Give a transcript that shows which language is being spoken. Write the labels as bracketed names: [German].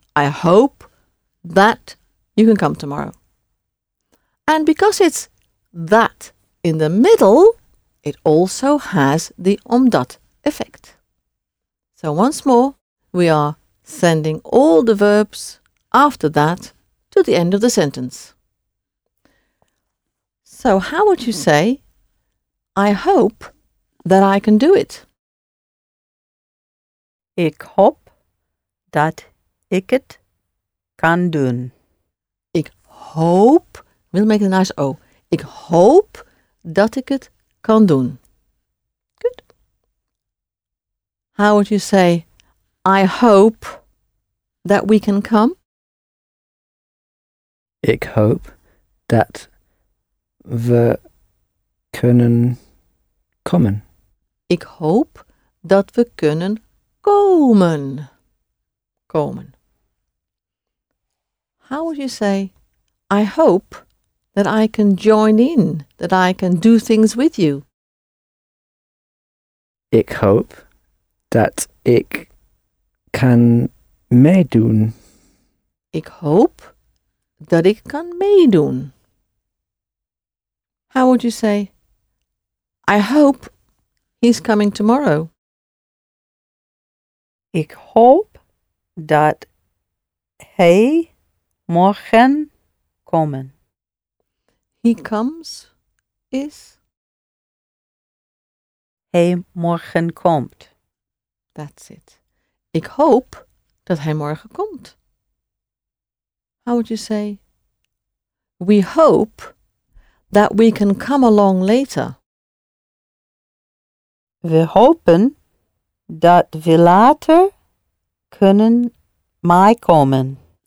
[English] I hope that you can come tomorrow. And because it's that in the middle, it also has the omdat effect. So once more, we are sending all the verbs after that to the end of the sentence. So how would you say, I hope that I can do it? [Dutch] Ik hoop dat ik het kan doen. Ik hoop, [English] we'll make a nice O. [Dutch] Ik hoop dat ik het kan doen. [English] Good. How would you say, I hope that we can come? [Dutch] Ik hoop dat we kunnen komen. Ik hoop dat we kunnen komen. Komen. [English] How would you say, I hope that I can join in, that I can do things with you? [Dutch] Ik hoop dat ik kan meedoen. Ik hoop dat ik kan meedoen. [English] How would you say, I hope he's coming tomorrow? [Dutch] Ik hoop dat hij morgen komen. [English] He comes is? [Dutch] Hij morgen komt. [English] That's it. [Dutch] Ik hoop dat hij morgen komt. [English] How would you say, we hope that we can come along later? [Dutch] We hopen dat we later kunnen meekomen.